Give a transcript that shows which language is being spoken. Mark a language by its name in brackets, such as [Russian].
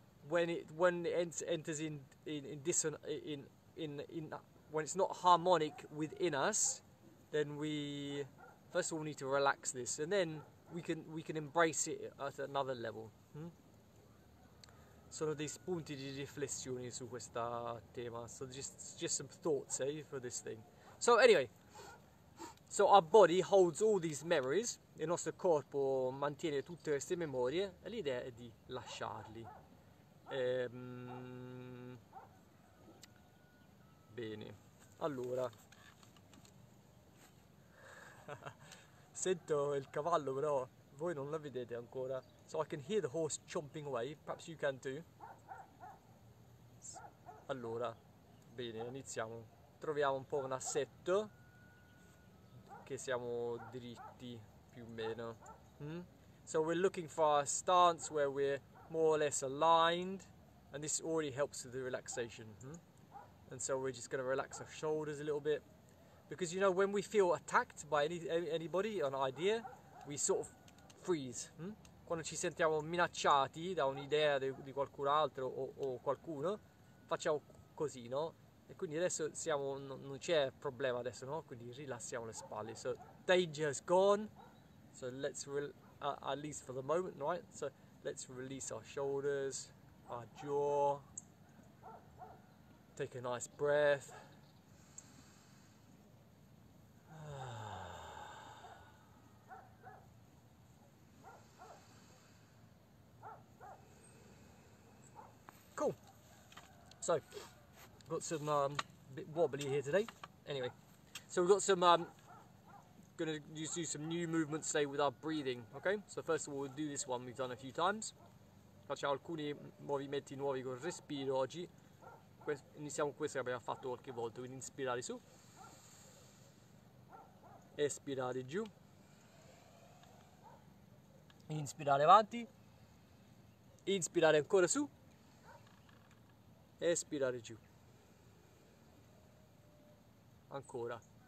[English] when it's not harmonic within us, then we first of all need to relax this, and then we can embrace it at another level. [Italian] Sono dei spunti di riflessione su questa tema. [English] So just some thoughts, for this thing. So anyway, so our body holds all these memories. [Italian] Il nostro corpo mantiene tutte queste memorie, e l'idea è di lasciarli. Bene, allora sento il cavallo, però voi non la vedete ancora. [English] So I can hear the horse chomping away, perhaps you can too. [Italian] Allora, bene, iniziamo. Troviamo un po' un assetto che siamo dritti più o meno. [English] So we're looking for a stance where we're more or less aligned, and this already helps with the relaxation. And so we're just going to relax our shoulders a little bit, because you know, when we feel attacked by anybody, an idea, we sort of [Italian] freeze, quando ci sentiamo minacciati da un'idea di qualcun altro o qualcuno, facciamo così, no? E quindi adesso siamo, non c'è problema adesso, no? Quindi rilassiamo le spalle. [English] So, danger is gone. So, let's at least for the moment, right? So, let's release our shoulders, our jaw. Take a nice breath. So, got some bit wobbly here today. Anyway, so we've got some gonna just do some new movements today with our breathing. Okay, so first of all, we'll do this one we've done a few times. [Italian] Facciamo alcuni movimenti nuovi con il respiro oggi. Iniziamo questo che abbiamo fatto qualche volta, quindi inspirare su, espirare giù, inspirare avanti, inspirare ancora su, espirare giù, ancora,